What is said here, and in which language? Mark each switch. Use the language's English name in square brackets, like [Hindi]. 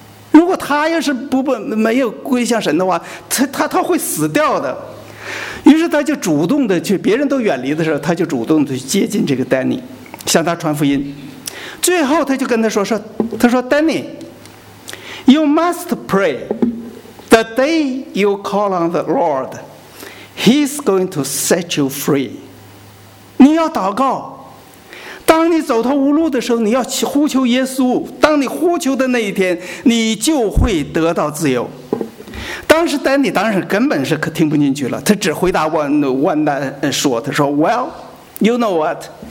[Chinese] 如果他要是没有归向神的话，他会死掉的。” 于是他就主动的去，别人都远离的时候，他就主动的去接近这个丹尼，向他传福音。最后他就跟他说：“他说丹尼。 [English] You must pray. The day you call on the Lord, He's going to set you free. [Chinese] 你要祷告。当你走投无路的时候，你要呼求耶稣。当你呼求的那一天，你就会得到自由。” 当时丹尼当时根本是听不进去了，他只回答万丹说：“他说 ， [English] Well, you know what?